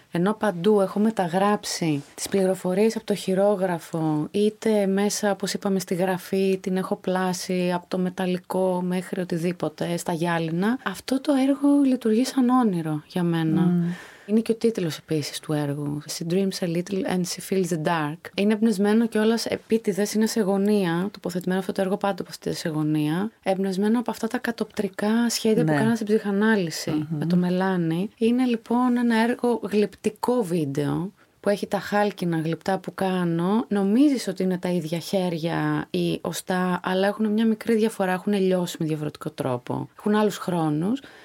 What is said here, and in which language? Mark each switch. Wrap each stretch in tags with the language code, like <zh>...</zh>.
<el>Ενώ παντού έχω μεταγράψει τις πληροφορίες από το χειρόγραφο, είτε μέσα, όπως είπαμε, στη γραφή, την έχω πλάσει από το μεταλλικό μέχρι οτιδήποτε, στα γυάλινα. Αυτό το έργο λειτουργεί σαν όνειρο για μένα. Είναι και ο τίτλος επίσης του έργου.</el> <en>She dreams a little and she feels the dark.</en> <el>Είναι εμπνευσμένο κιόλας επίτηδες, είναι σε γωνία. Τοποθετημένο αυτό το έργο πάντα από αυτή τη γωνία. Εμπνευσμένο από αυτά τα κατοπτρικά σχέδια που κάνανε στην ψυχανάλυση με το μελάνι. Είναι λοιπόν ένα έργο γλυπτικό βίντεο. που έχει τα χάλκινα γλυπτά που κάνω, νομίζεις ότι είναι τα ίδια χέρια ή οστά, αλλά έχουν μια μικρή διαφορά, έχουν λιώσει με διαφορετικό τρόπο, έχουν άλλους χρόνους.</el>